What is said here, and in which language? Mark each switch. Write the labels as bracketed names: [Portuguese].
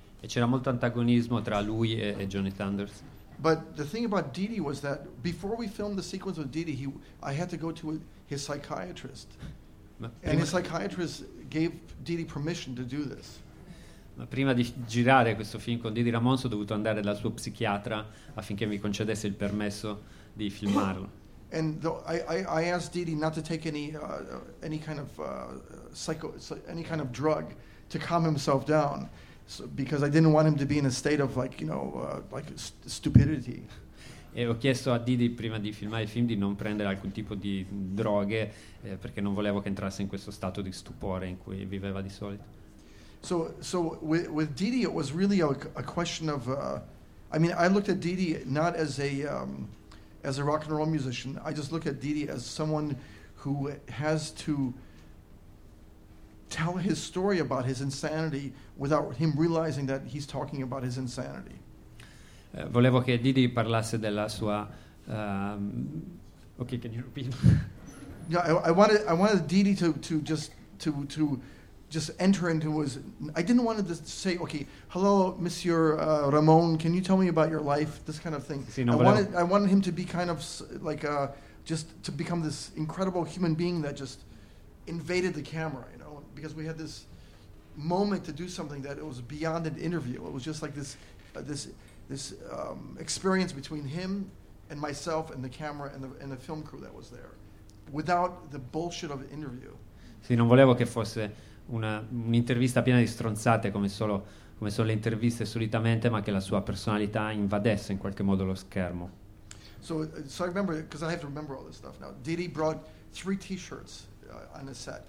[Italian] E c'era molto antagonismo tra lui e Johnny Thunders. [English] But the thing about Didi was that before we filmed the sequence with Didi, I had to go to his psychiatrist. And his psychiatrist gave Didi permission to do this. [Italian] Ma prima di girare questo film con Didi Ramon, ho dovuto andare dal suo psichiatra affinché mi concedesse il permesso di filmarlo. [English] And I asked Didi not to take any kind of drug to calm himself down, because I didn't want him to be in a state of stupidity. [Italian] E ho chiesto a Didi, prima di filmare il film, di non prendere alcun tipo di droghe, perché non volevo che entrasse in questo stato di stupore in cui viveva di solito. [English] So with Didi it was really a question of I looked at Didi not as a rock and roll musician. I just looked at Didi as someone who has to tell his story about his insanity without him realizing that he's talking about his insanity. [Italian] Volevo che Didi parlasse della sua [English] can you repeat? Yeah, I wanted Didi to just enter into his. I didn't want to say, okay, hello, Monsieur Ramon, can you tell me about your life? This kind of thing. [Italian] Sì, [English] I wanted him to be kind of like just to become this incredible human being that just invaded the camera, you know, because we had this moment to do something that it was beyond an interview. It was just like this this experience between him and myself and the camera and the film crew that was there, without the bullshit of an interview. [Italian] Sì, non volevo che fosse un'intervista piena di stronzate come sono le interviste solitamente, ma che la sua personalità invadesse in qualche modo lo schermo. [English] So I remember, because I have to remember all this stuff now. Didi brought three t-shirts on the set.